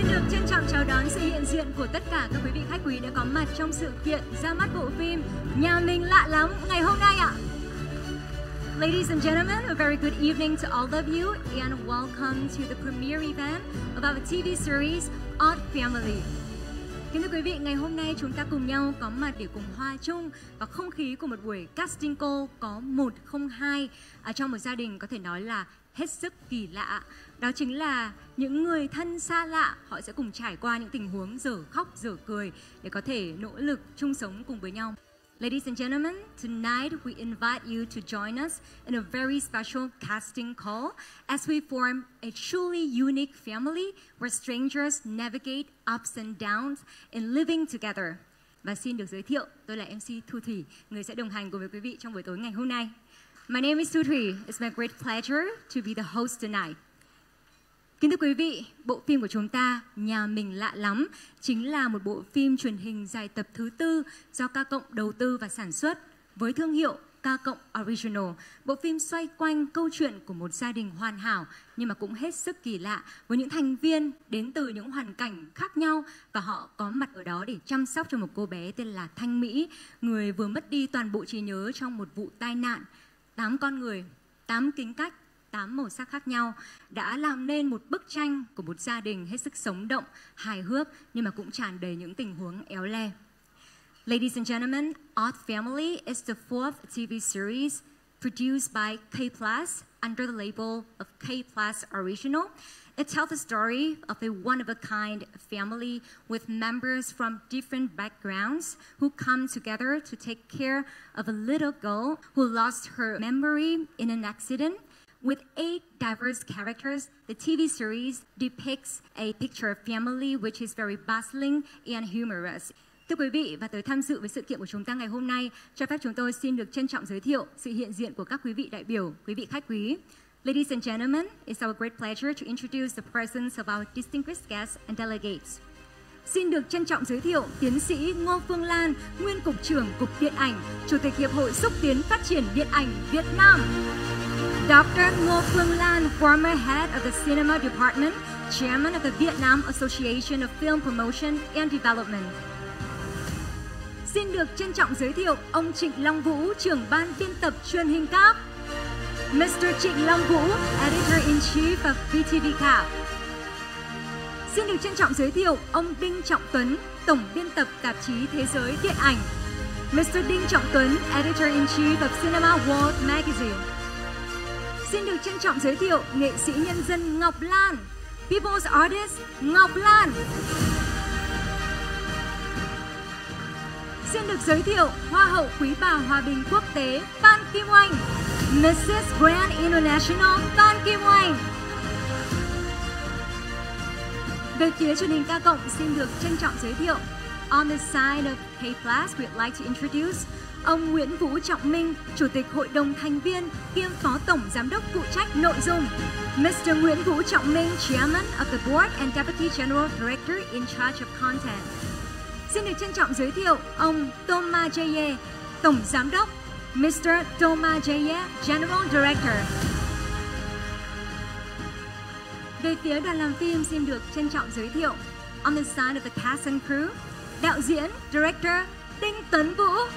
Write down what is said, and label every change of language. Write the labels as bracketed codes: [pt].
[vi] trân trọng chào đón sự hiện diện của tất cả các quý vị khách quý đã có mặt trong sự kiện ra mắt bộ phim Nhà Mình Lạ Lắm ngày hôm nay ạ. [en] Ladies and gentlemen, a very good evening to all of you and welcome to the premiere event of our TV series Odd Family. [vi] Kính thưa quý vị, ngày hôm nay chúng ta cùng nhau có mặt để cùng hòa chung vào không khí của một buổi casting call có 102 trong một gia đình có thể nói là hết sức kỳ lạ. Đó chính là những người thân xa lạ, họ sẽ cùng trải qua những tình huống dở khóc dở cười để có thể nỗ lực chung sống cùng với nhau. [en] Ladies and gentlemen, tonight we invite you to join us in a very special casting call as we form a truly unique family where strangers navigate ups and downs in living together. [vi] Và xin được giới thiệu, tôi là MC Thu Thủy, người sẽ đồng hành cùng với quý vị trong buổi tối ngày hôm nay. [en] My name is Thu Thủy. It's my great pleasure to be the host tonight. [vi] Kính thưa quý vị, bộ phim của chúng ta Nhà Mình Lạ Lắm chính là một bộ phim truyền hình dài tập thứ tư do Ca Cộng đầu tư và sản xuất với thương hiệu Ca Cộng Original. Bộ phim xoay quanh câu chuyện của một gia đình hoàn hảo nhưng mà cũng hết sức kỳ lạ với những thành viên đến từ những hoàn cảnh khác nhau và họ có mặt ở đó để chăm sóc cho một cô bé tên là Thanh Mỹ, người vừa mất đi toàn bộ trí nhớ trong một vụ tai nạn. 8 con người, 8 tính cách, 8 màu sắc khác nhau đã làm nên một bức tranh của một gia đình hết sức sống động, hài hước nhưng mà cũng tràn đầy những tình huống éo le. [en] Ladies and gentlemen, Odd Family is the fourth TV series produced by K-Plus under the label of K-Plus Original. It tells the story of a one-of-a-kind family with members from different backgrounds who come together to take care of a little girl who lost her memory in an accident. With 8 diverse characters, the TV series depicts a picture of family which is very bustling and humorous. [vi] Thưa quý vị, và tới tham dự với sự kiện của chúng ta ngày hôm nay, cho phép chúng tôi xin được trân trọng giới thiệu sự hiện diện của các quý vị đại biểu, quý vị khách quý. [en] Ladies and gentlemen, it's our great pleasure to introduce the presence of our distinguished guests and delegates. [vi] Xin được trân trọng giới thiệu Tiến sĩ Ngô Phương Lan, Nguyên Cục trưởng Cục Điện ảnh, Chủ tịch Hiệp hội Xúc tiến Phát triển Điện ảnh Việt Nam. [en] Dr. Ngô Phương Lan, former head of the Cinema Department, chairman of the Vietnam Association of Film Promotion and Development. [vi] Xin được trân trọng giới thiệu ông Trịnh Long Vũ, trưởng ban biên tập truyền hình CAP. Mr. [en] Trịnh Long Vũ, Editor-in-Chief of VTV CAP. [vi] Xin được trân trọng giới thiệu ông Đinh Trọng Tuấn, tổng biên tập tạp chí Thế giới Điện ảnh. Mr. [en] Đinh Trọng Tuấn, Editor-in-Chief of Cinema World Magazine. [vi] Xin được trân trọng giới thiệu nghệ sĩ nhân dân Ngọc Lan, [en] People's Artist Ngọc Lan. [vi] Xin được giới thiệu Hoa hậu Quý bà Hòa bình Quốc tế Phan Kim Oanh, Mrs. [en] Grand International Phan Kim Oanh. [vi] Về phía truyền hình Ca Cộng, xin được trân trọng giới thiệu [en] on the side of K-Plus, we'd like to introduce [vi] ông Nguyễn Vũ Trọng Minh, Chủ tịch Hội đồng thành viên kiêm Phó Tổng Giám đốc phụ trách nội dung. [en] Mr. Nguyễn Vũ Trọng Minh, Chairman of the Board and Deputy General Director in charge of content. [vi] Xin được trân trọng giới thiệu ông Thomas Jaye, Tổng Giám đốc. Mr. [en] Thomas Jaye, General Director. [vi] Về phía đoàn làm phim, xin được trân trọng giới thiệu [en] on the side of the cast and crew, [vi] đạo diễn, director Đinh Tấn Vũ.